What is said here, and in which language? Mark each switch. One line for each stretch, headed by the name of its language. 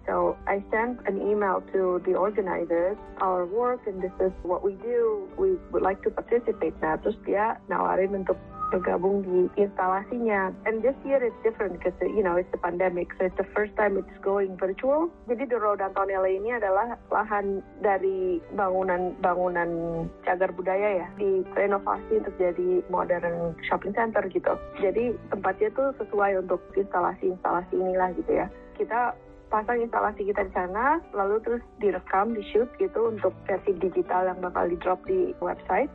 English: So I sent an email to the organizers, our work and this is what we do, we would like to participate.
Indonesian: Nah terus dia nawarin untuk bergabung di instalasinya.
English: And this year it's different because, you know, it's the pandemic, so it's the first time it's going virtual.
Indonesian: Jadi the Rodanton LA ini adalah lahan dari bangunan-bangunan cagar budaya ya, direnovasi untuk jadi modern shopping center gitu. Jadi tempatnya tuh sesuai untuk instalasi-instalasi inilah gitu ya. Kita pasang instalasi kita di sana, lalu terus direkam, di shoot gitu untuk versi digital yang bakal di drop di website.